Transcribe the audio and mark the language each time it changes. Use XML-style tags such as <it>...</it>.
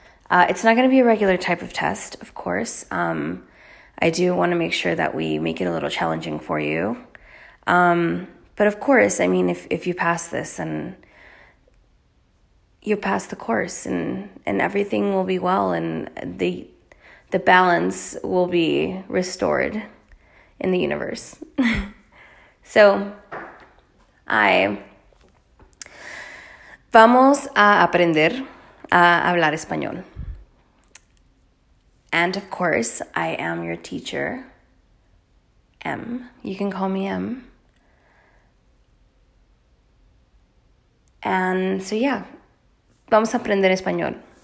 <en>It's not gonna be a regular type of test, of course. I do want to make sure that we make it a little challenging for you. But of course, I mean, if you pass this, and you pass the course, and everything will be well, and the balance will be restored in the universe.</en> <es>So, vamos a aprender a hablar español.</es> <en>And of course, I am your teacher, M. You can call me M. And so, yeah,</en> <es>vamos a aprender español.</es>